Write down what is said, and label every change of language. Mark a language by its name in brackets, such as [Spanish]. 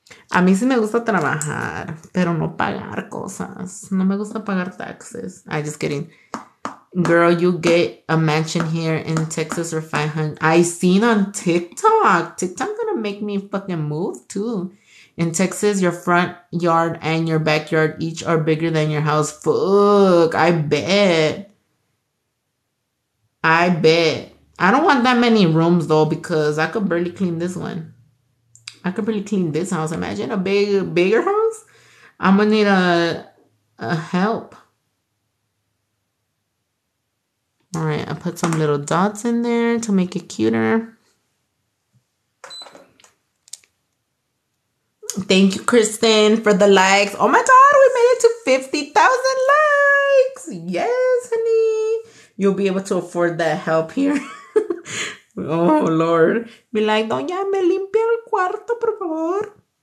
[Spanish] A mí sí me gusta trabajar, pero no pagar cosas. No me gusta pagar taxes. [English] I just kidding. Girl, you get a mansion here in Texas for 500. I seen on TikTok. TikTok gonna make me fucking move too. In Texas, your front yard and your backyard each are bigger than your house. Fuck, I bet. I don't want that many rooms though because I could barely clean this one. I could barely clean this house. Imagine a bigger house. I'm gonna need a help. All right, I put some little dots in there to make it cuter. Thank you, Kristen, for the likes. Oh my God, we made it to 50,000 likes. Yes, honey. You'll be able to afford that help here. Oh, Lord. Be like, [Spanish] Doña, me limpia el cuarto, por favor.